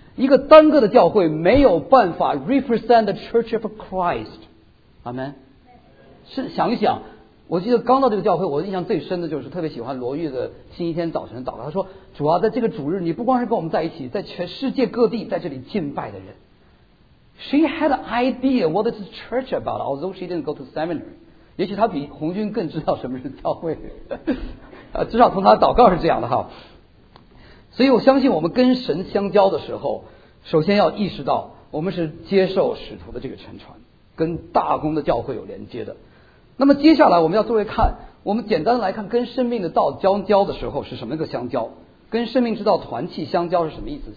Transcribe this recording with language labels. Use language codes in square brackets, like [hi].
[zh] 一个单个的教会没有办法 [en] represent the Church of Christ， [zh] 阿们。是想一想，我记得刚到这个教会，我印象最深的就是特别喜欢罗玉的星期天早晨的祷告。他说：“主啊，在这个主日，你不光是跟我们在一起，在全世界各地在这里敬拜的人。” [en] She had an idea what is the church about, although she didn't go to seminary。 [zh] 也许他比红军更知道什么是教会，至少从他的祷告是这样的哈。所以我相信我们跟神相交的时候，首先要意识到我们是接受使徒的这个圣传，跟大公的教会有连接的。那么接下来我们要作为看，我们简单来看跟生命的道相交的时候是什么一个相交，跟生命之道团契相交是什么意思。